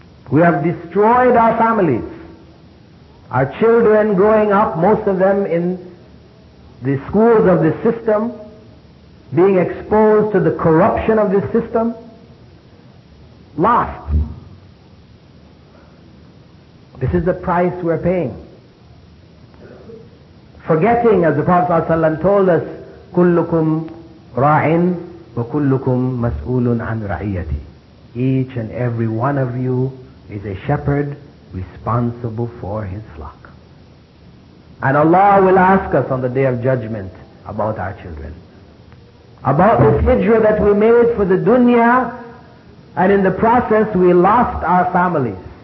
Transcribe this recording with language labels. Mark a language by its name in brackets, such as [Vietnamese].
[English] We have destroyed our families. Our children growing up, most of them in the schools of the system, being exposed to the corruption of this system, lost. This is the price we're paying. Forgetting, as the Prophet ﷺ told us, [Arabic] كُلُّكُمْ رَاعٍ وَكُلُّكُمْ مَسْئُولٌ عَنْ رَعِيَّتِ. [English] Each and every one of you is a shepherd responsible for his flock. And Allah will ask us on the Day of Judgment about our children. About this hijrah that we made for the dunya, and in the process we lost our families.